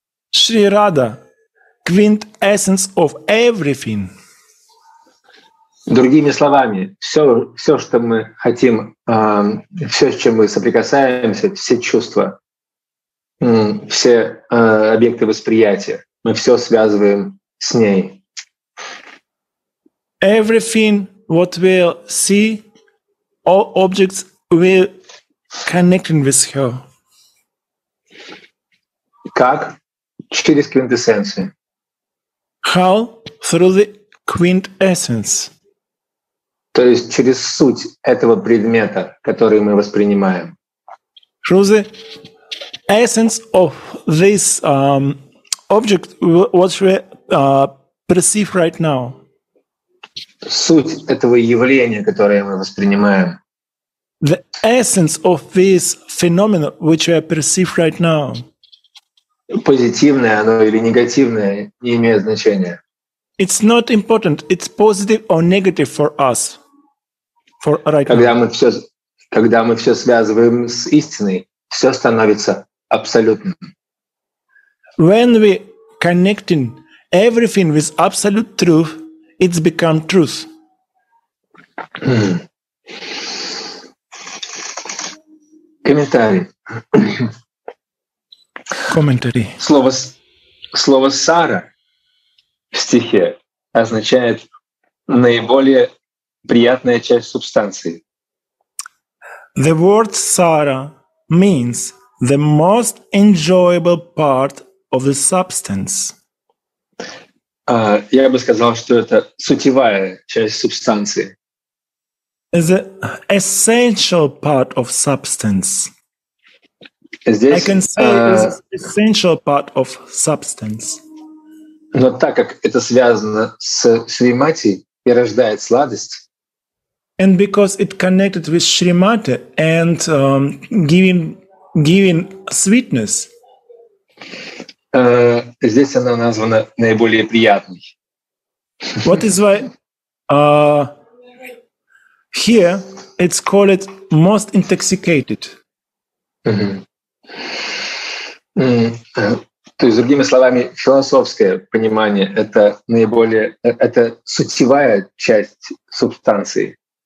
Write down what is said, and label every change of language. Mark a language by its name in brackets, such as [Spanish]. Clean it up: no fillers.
[English] Шри Радха, квинтэссенс of everything. [Russian] Другими словами, все, что мы хотим, все, с чем мы соприкасаемся, все чувства, все объекты восприятия, мы все связываем с ней. [English] Everything what we see, all objects we connecting with her. [Russian] Как? Через квинтэссенцию. [English] How? Through the quintessence. [Russian] То есть через суть этого предмета, который мы воспринимаем. [English] Through the essence of this object, what we perceive right now. [Russian] Суть этого явления, которое мы воспринимаем. [English] The essence of this phenomenon, which we perceive right now. [Russian] Позитивное оно или негативное не имеет значения. [English] It's not important. It's positive or negative for us. For right [Russian] когда [English] now. [Russian] Когда мы все связываем с истиной, все становится абсолютным. [English] When we connecting everything with absolute truth, it's become truth. [Russian] Комментарий. Слово «сара» в стихе означает наиболее приятная часть субстанции. [English] The word «сара» means the most enjoyable part of the substance. [Russian] Я бы сказал, что это сутевая часть субстанции. [English] The essential part of substance. [Russian] Здесь, [English] I can say it's essential part of substance. [Russian] Но так как это связано с Шримати и рождает сладость. [English] And because it connected with Шримати and giving sweetness. [Russian] Здесь она названа наиболее приятной. [English] What is why? Here it's called most intoxicated. [Russian] То есть, другими словами, философское понимание — это наиболее, это сутевая часть субстанции.